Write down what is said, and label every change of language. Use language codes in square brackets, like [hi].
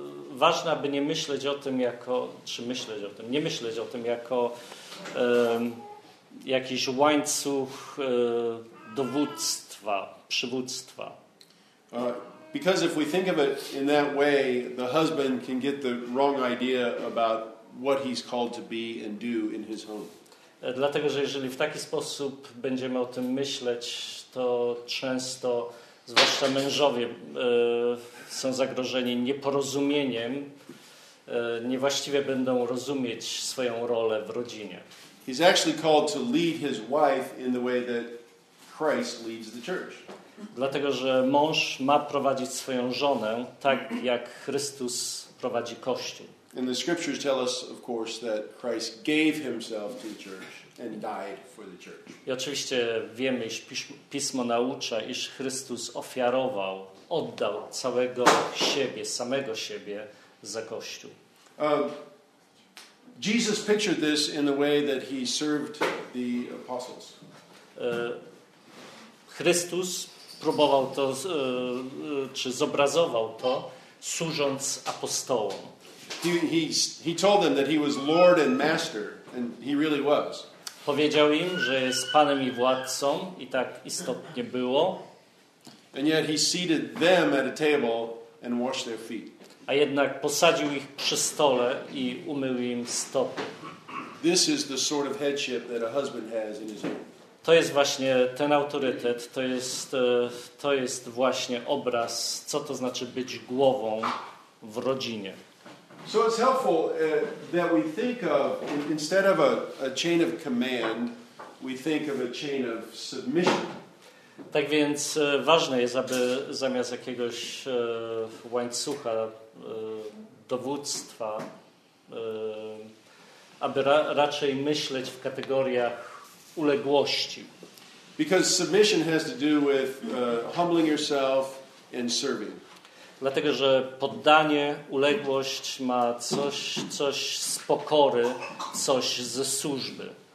[pl] Ważne, aby nie myśleć o tym jako, nie myśleć o tym jako jakiś łańcuch dowództwa, przywództwa. [en] Because if we think of it in that way, the husband can get the wrong idea about what he's called to be and do in his home. [pl] Dlatego, że jeżeli w taki sposób będziemy o tym myśleć, to często, zwłaszcza mężowie, są zagrożeni nieporozumieniem, niewłaściwie będą rozumieć swoją rolę w rodzinie. [en] He's actually called to lead his wife in the way that Christ leads the church. [pl] Dlatego, że mąż ma prowadzić swoją żonę tak, jak Chrystus prowadzi Kościół. [en] And the scriptures tell us, of course, that Christ gave himself to the church and died for the church. [pl] I oczywiście wiemy, iż Pismo naucza, iż Chrystus ofiarował, oddał całego siebie, samego siebie za Kościół. [en] Jesus pictured this in the way that he served the apostles. [pl] Chrystus próbował to, czy zobrazował to, służąc apostołom. [en] He told them that he was Lord and Master, and he really was. [pl] Powiedział im, że jest Panem i Władcą, i tak istotnie było. [en] And yet he seated them at a table and washed their feet. [pl] A jednak posadził ich przy stole i umył im stopy. [en] This is the sort of headship that a husband has in his home. [pl] To jest właśnie ten autorytet, to jest właśnie obraz, co to znaczy być głową w rodzinie. [en] So it's helpful that we think of, instead of a chain of command, we think of a chain of submission. [pl] Tak więc ważne jest, aby zamiast jakiegoś łańcucha dowództwa, aby raczej myśleć w kategoriach uległości. [en] Because submission has to do with humbling yourself and serving. [pl] Dlatego, że poddanie, uległość ma coś z pokory, coś ze służby.